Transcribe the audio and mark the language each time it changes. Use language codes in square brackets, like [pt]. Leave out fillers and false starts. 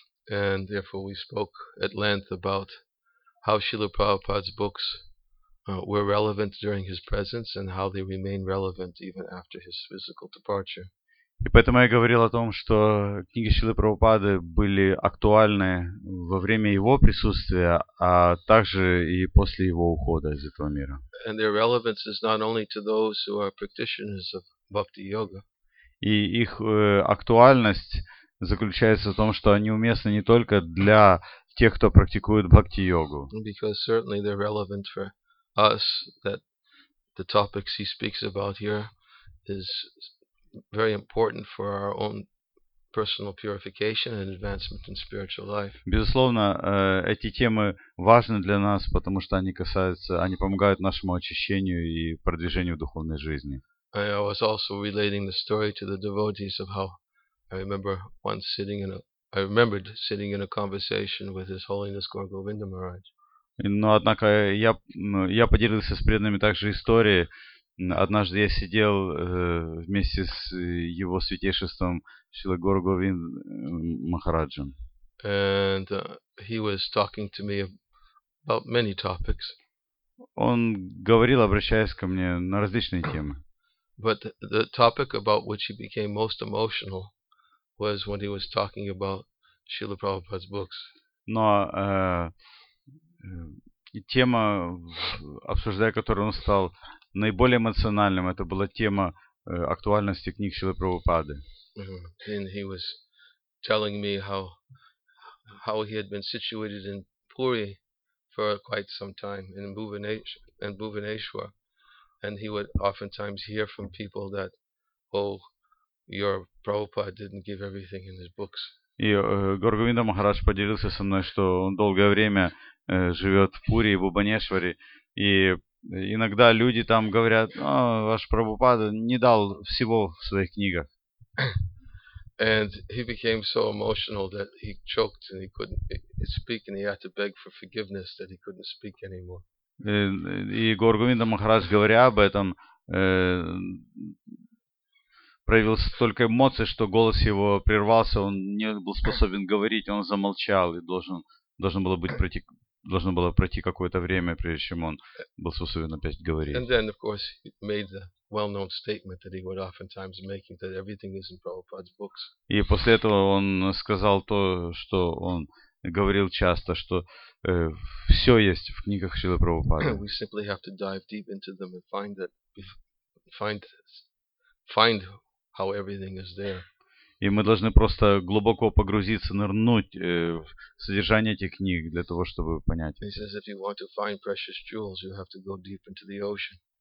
[en] And therefore we spoke at length about how Srila Prabhupada's books were relevant during his presence and how they remain relevant even after his physical departure. [ru] И поэтому я говорил о том, что книги Шрилы Прабхупады были актуальны во время его присутствия, а также и после его ухода из этого мира. [en] And their relevance is not only to those who are practitioners of bhakti yoga. [ru] И их актуальность заключается в том, что они уместны не только для тех, кто практикует бхакти йогу. [en] Because certainly they're relevant for us, that the topics he speaks about here is very important for our own personal purification and advancement in spiritual life. [ru] Безусловно, эти темы важны для нас, потому что они касаются, они помогают нашему очищению и продвижению духовной жизни. [en] I was also relating the story to the devotees of how I remember once sitting in a conversation with His Holiness Gaura Govinda Maharaj. [ru] Но однако я поделился с преданными также историей. Однажды я сидел вместе с его святейшеством Шрила Гаура Говинда Махараджем. [en] And he was talking to me about many topics. [ru] Он говорил, обращаясь ко мне, на различные темы. [en] But the topic about which he became most emotional was when he was talking about Srila Prabhupada's books. [ru] Но тема, обсуждая которую он стал наиболее эмоциональным, это была тема актуальности книг Шрилы Прабхупады. [en] And he was telling me how he had been situated in Puri for quite some time in Bhuvaneshwar. And he would oftentimes hear from people that, oh, your Prabhupada didn't give everything in his books. [ru] И Гаура Говинда Махарадж поделился со мной, что он долгое время живет в Пури и в Бхубанешваре, и иногда люди там говорят, ваш Прабхупада не дал всего в своих книгах. [en] And he became so emotional that he choked and he couldn't speak and he had to beg for forgiveness that he couldn't speak anymore. [ru] И Гаура Говинда Махарадж, говоря об этом, проявил столько эмоций, что голос его прервался, он не был способен говорить, он замолчал и должно было пройти какое-то время, прежде чем он был способен опять говорить. [en] And then, of course, he made the well-known statement that he would oftentimes make, that everything is in Prabhupada's books. [ru] И после этого он сказал то, что он говорил часто, что все есть в книгах Шрилы Прабхупады. [en] We simply have to dive deep into them and find how everything is there. [ru] И мы должны просто глубоко погрузиться, нырнуть в содержание этих книг для того, чтобы понять. [en] He says, if you want to find precious jewels, you have to go deep into the ocean.